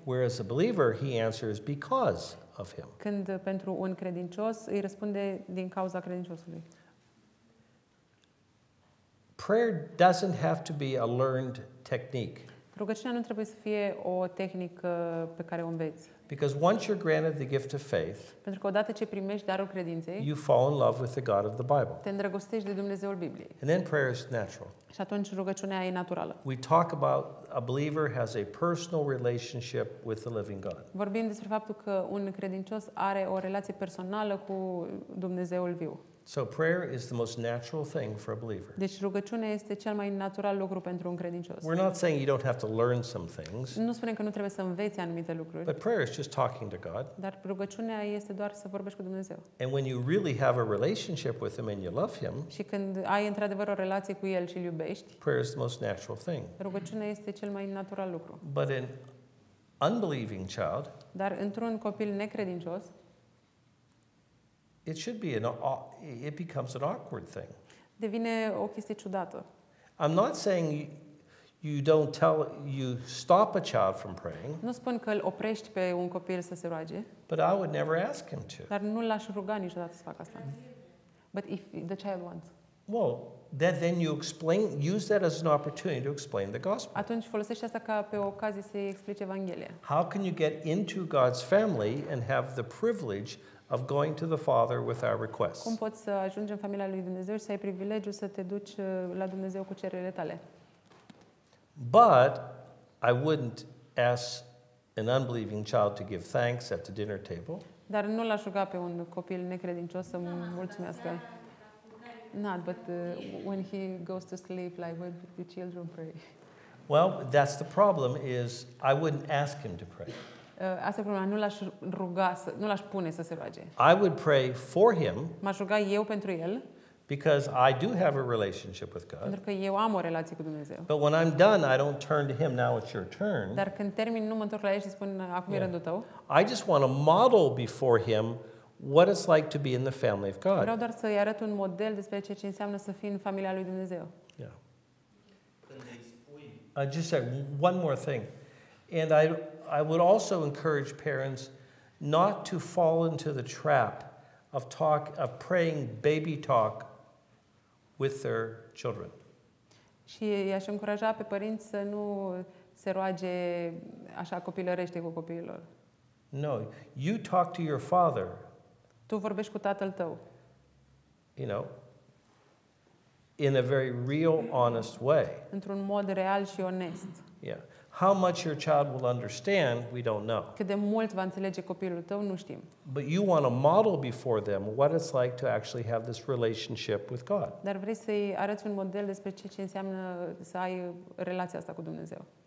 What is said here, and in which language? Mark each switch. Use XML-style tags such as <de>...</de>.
<en>Whereas a believer, he answers because of him.</en> <ro>Când pentru un credincios, îi răspunde din cauza credinciosului.</ro> <en>Prayer doesn't have to be a learned technique.</en> <ro>Rugăciunea nu trebuie să fie o tehnică pe care o înveți.</ro> <en>Because once you're granted the gift of faith,</en> <ro>pentru că odată ce primești darul credinței,</ro> <en>you fall in love with the God of the Bible.</en> <ro>Te îndrăgostești de Dumnezeul Bibliei.</ro> <en>And then prayer is natural.</en> <ro>Și atunci rugăciunea e naturală.</ro> <en>We talk about a believer has a personal relationship with the living God.</en> <ro>Vorbim despre faptul că un credincios are o relație personală cu Dumnezeul viu.</ro> <en>So prayer is the most natural thing for a believer.</en> <ro>Deci rugăciunea este cel mai natural lucru pentru un credincios.</ro> <en>We're not saying you don't have to learn some things.</en> <ro>Nu spunem că nu trebuie să înveți anumite lucruri.</ro> <en>But prayer is just talking to God.</en> <ro>Dar rugăciunea este doar să vorbești cu Dumnezeu.</ro> <en>And when you really have a relationship with him and you love him,</en> <ro>și când ai într-adevăr o relație cu el și îl iubești,</ro> <en>prayer is the most natural thing.</en> <ro>Rugăciunea este cel mai natural lucru.</ro> <en>But an unbelieving child,</en> <ro>dar într-un copil necredincios,</ro> <en>it should be it becomes an awkward thing.</en> <ro>Devine o chestie ciudată.</ro> <en>I'm not saying you stop a child from praying.</en> <ro>Nu spun că îl oprești pe un copil să se roage.</ro> <en>But I would never ask him to.</en> <ro>Dar nu l-aș ruga niciodată să facă asta.</ro> <en>But if the child wants. Well, then you explain, use that as an opportunity to explain the gospel.</en> <ro>Atunci folosește asta ca pe ocazie să explice Evanghelia.</ro> <en>How can you get into God's family and have the privilege of going to the Father with our requests?</en> <ro>Cum poți să ajungi în familia lui Dumnezeu și să ai privilegiul să te duci la Dumnezeu cu cererile tale?</ro> <en>But I wouldn't ask an unbelieving child to give thanks at the dinner table.</en> <ro>Dar nu l-aș ruga pe un copil necredincios să mulțumească.</ro> <en>Not, but when he goes to sleep, like when the children pray. Well, that's the problem, is I wouldn't ask him to pray.</en> <ro>Asta e problema, nu l-aș ruga, nu l-aș pune să se roage.</ro> <en>I would pray for him.</en> <ro>M-aș ruga eu pentru el.</ro> <en>Because I do have a relationship with God.</en> <ro>Pentru că eu am o relație cu Dumnezeu.</ro> <en>But when I'm done, I don't turn to him, now it's your turn.</en> <ro>Dar când termin, nu mă întorc la el și spun, acum e rândul tău.</ro> <en>I just want to model before him what it's like to be in the family of God.</en> <ro>Vreau doar să-i arăt un model despre ce înseamnă să fii în familia lui Dumnezeu.</ro> <en>Yeah. I just said one more thing. And I would also encourage parents not to fall into the trap of praying baby talk with their children.</en> <ro>Și i-aș încuraja pe părinți să nu se roage așa copilărește cu copiilor.</ro> <en>No, you talk to your father.</en> <ro>Tu vorbești cu tatăl tău.</ro> <en>You know, in a very real, honest way.</en> <ro>Într-un mod real și onest.</ro> <en>Yeah. How much your child will understand, we don't know.</en> <ro>Cât de mult va înțelege copilul tău, nu știm.</ro> <en>But you want to model before them what it's like to actually have this relationship with God.</en> <ro>Dar vrei să-i arăți un model despre ce înseamnă să ai relația asta cu Dumnezeu.</ro>